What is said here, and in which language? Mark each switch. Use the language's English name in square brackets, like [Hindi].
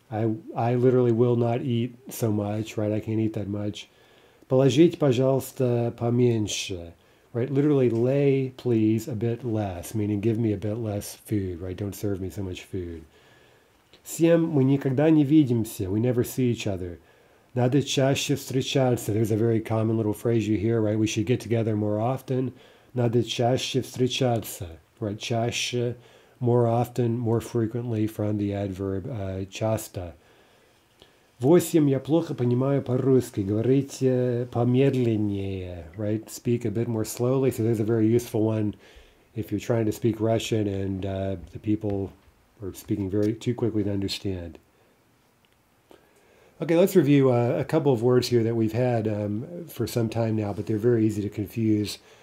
[English] I literally will not eat so much, right? I can't eat that much. [Russian] Положите, пожалуйста, поменьше, right? [English] Literally, lay, please, a bit less, meaning give me a bit less food, right? Don't serve me so much food. [Russian] Семь, мы никогда не видимся. [English] We never see each other. [Russian] Надо чаще встречаться. [English] There's a very common little phrase you hear, right? We should get together more often. [Russian] Надо чаще встречаться, right? [English] Чаще, more often, more frequently, from the adverb часто. [Russian] Восемь, я плохо понимаю по-русски. Говорите помедленнее, [English] right? Speak a bit more slowly. So there's a very useful one if you're trying to speak Russian and the people are speaking very too quickly to understand. Okay, let's review a couple of words here that we've had for some time now, but they're very easy to confuse.